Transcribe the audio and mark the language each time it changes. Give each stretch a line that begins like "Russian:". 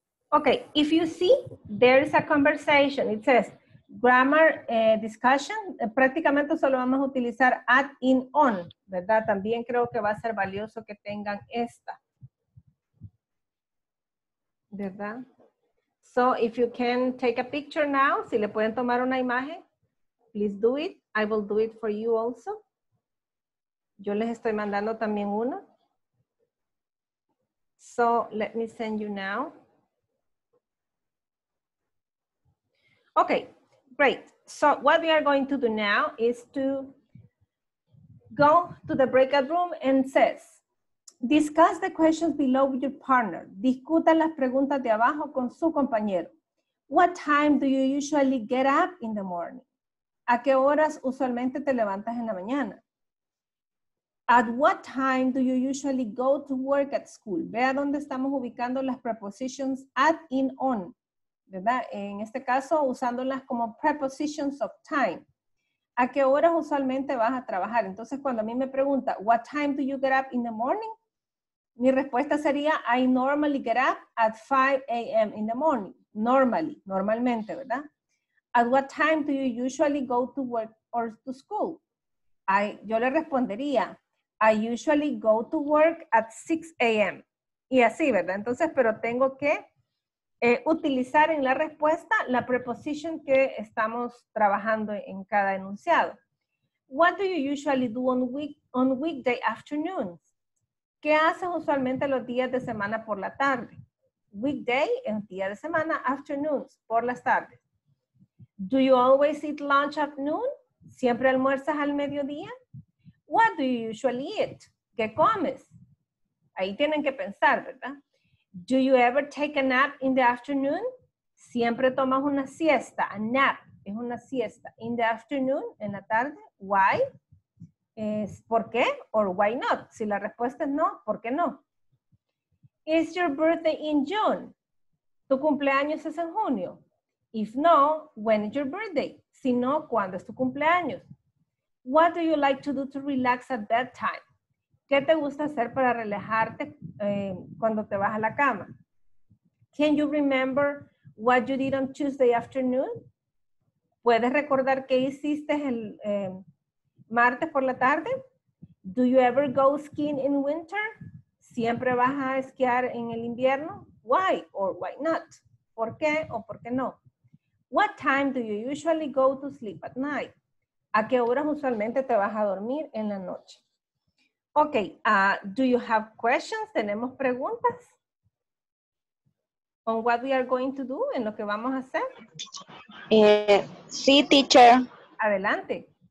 English: Okay, if you see, there is a conversation. It says, grammar discussion.
Spanish: Prácticamente solo vamos a utilizar at, in, on, ¿verdad? También creo que va a ser valioso que tengan esta, ¿verdad?
English: So, if you can take a picture now,
Spanish: si le pueden tomar una imagen,
English: please do it. I will do it for you also.
Spanish: Yo les estoy mandando también una.
English: So, let me send you now. Okay, great. So, what we are going to do now is to go to the breakout room and says, discuss the questions below with your partner.
Spanish: Discuta las preguntas de abajo con su compañero.
English: What time do you usually get up in the morning?
Spanish: ¿A qué horas usualmente te levantas en la mañana?
English: At what time do you usually go to work at school?
Spanish: Vea dónde estamos ubicando las prepositions at, in, on, ¿verdad? En este caso, usándolas como
English: prepositions of time.
Spanish: ¿A qué horas usualmente vas a trabajar? Entonces, cuando a mí me pregunta,
English: what time do you get up in the morning?
Spanish: Mi respuesta sería,
English: I normally get up at 5 a.m. in the morning. Normally,
Spanish: normalmente, ¿verdad?
English: At what time do you usually go to work or to school?
Spanish: Yo le respondería,
English: I usually go to work at 6 a.m.
Spanish: Y así, ¿verdad? Entonces, pero tengo que utilizar en la respuesta la preposición que estamos trabajando en cada enunciado.
English: What do you usually do on weekday afternoons?
Spanish: ¿Qué haces usualmente los días de semana por la tarde? Weekday, en día de semana, afternoons, por las tardes.
English: Do you always eat lunch at noon?
Spanish: ¿Siempre almuerzas al mediodía?
English: What do you usually eat?
Spanish: ¿Qué comes? Ahí tienen que pensar, ¿verdad?
English: Do you ever take a nap in the afternoon?
Spanish: ¿Siempre tomas una siesta? A nap es una siesta.
English: In the afternoon,
Spanish: en la tarde,
English: why?
Spanish: Es ¿por qué?
English: Or why not?
Spanish: Si la respuesta es no, ¿por qué no?
English: Is your birthday in June?
Spanish: ¿Tu cumpleaños es en junio?
English: If no, when is your birthday?
Spanish: Si no, ¿cuándo es tu cumpleaños?
English: What do you like to do to relax at bedtime?
Spanish: ¿Qué te gusta hacer para relajarte cuando te vas a la cama?
English: Can you remember what you did on Tuesday afternoon?
Spanish: ¿Puedes recordar qué hiciste el martes por la tarde?
English: Do you ever go skiing in winter?
Spanish: ¿Siempre vas a esquiar en el invierno?
English: Why or why not?
Spanish: ¿Por qué o por qué no?
English: What time do you usually go to sleep at night?
Spanish: ¿A qué horas usualmente te vas a dormir en la noche?
English: Okay, do you have questions?
Spanish: ¿Tenemos preguntas?
English: On what we are going to do,
Spanish: en lo que vamos a hacer. Sí, teacher. Adelante.